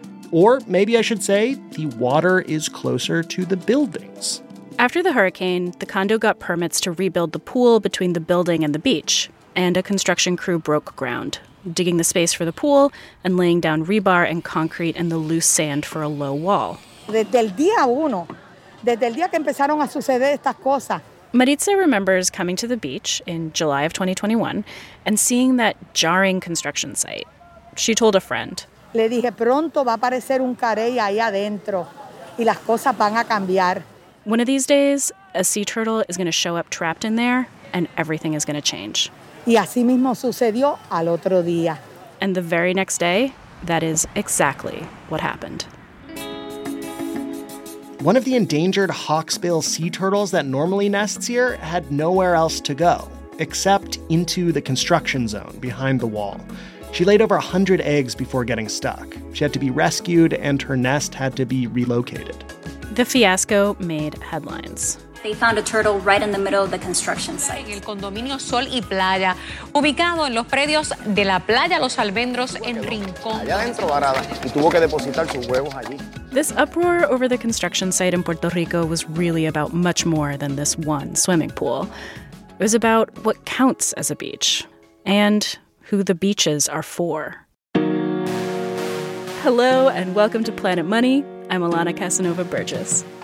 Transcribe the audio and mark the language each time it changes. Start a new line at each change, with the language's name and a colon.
English: Or maybe I should say, the water is closer to the buildings. After the hurricane, the condo got permits to rebuild the pool between the building and the beach, and a construction crew broke ground, digging the space for the pool and laying down rebar and concrete in the loose sand for a low wall.
Spanish: Desde el día uno, desde el día que empezaron a suceder estas cosas.
English: Maritza remembers coming to the beach in July of 2021 and seeing that jarring construction site. She told a friend.
Spanish: Le dije, pronto va a aparecer un carey ahí adentro y las cosas van a cambiar.
English: One of these days, a sea turtle is going to show up trapped in there and everything is going to change.
Spanish: Y así mismo sucedió al otro día.
English: And the very next day, that is exactly what happened. One of the endangered hawksbill sea turtles that normally nests here had nowhere else to go, except into the construction zone behind the wall. She laid over 100 eggs before getting stuck. She had to be rescued and her nest had to be relocated. The fiasco made headlines. They found a turtle right in the middle of the construction site.
Spanish: El condominio Sol y Playa, ubicado en los predios de la Playa Los Almendros en Rincón. Allá adentro varada y tuvo que depositar sus huevos allí.
English: This uproar over the construction site in Puerto Rico was really about much more than this one swimming pool. It was about what counts as a beach and who the beaches are for. Hello and welcome to Planet Money. I'm Alana Casanova Burgess.